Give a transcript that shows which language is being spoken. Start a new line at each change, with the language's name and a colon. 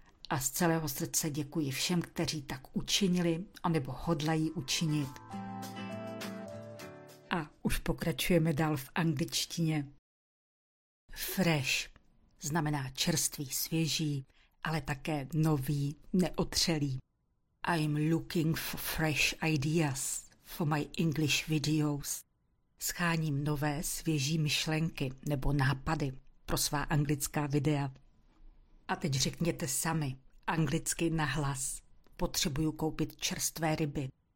Czech: A z celého srdce děkuji všem, kteří tak učinili anebo hodlají učinit. A už pokračujeme dál v angličtině. Fresh znamená čerstvý, svěží, ale také nový, neotřelý.
English: I'm looking for fresh ideas for my English videos.
Czech: Scháním nové, svěží myšlenky nebo nápady pro svá anglická videa. A teď řekněte sami, anglicky nahlas. Potřebuju koupit čerstvé ryby.